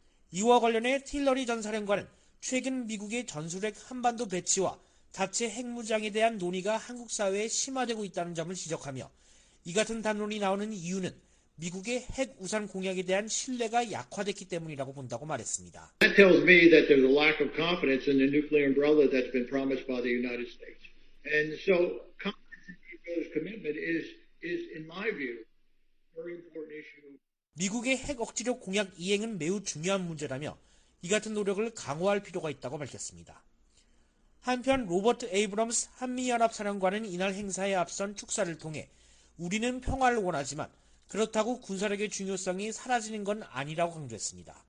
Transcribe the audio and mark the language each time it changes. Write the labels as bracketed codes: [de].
[ko] 이와 관련해 틸러리 전 사령관은 최근 미국의 전술핵 한반도 배치와 자체 핵무장에 대한 논의가 한국 사회에 심화되고 있다는 점을 지적하며 이 같은 담론이 나오는 이유는 미국의 핵 우산 공약에 대한 신뢰가 약화됐기 때문이라고 본다고 말했습니다. [en] That tells me that there's a lack of confidence in the nuclear umbrella that's been promised by the United States. And so confidence in those commitment is in my view very important issue. [ko] 미국의 핵 억지력 공약 이행은 매우 중요한 문제라며 이 같은 노력을 강화할 필요가 있다고 밝혔습니다. 한편 로버트 에이브럼스 한미연합사령관은 이날 행사에 앞선 축사를 통해 우리는 평화를 원하지만 그렇다고 군사력의 중요성이 사라지는 건 아니라고 강조했습니다.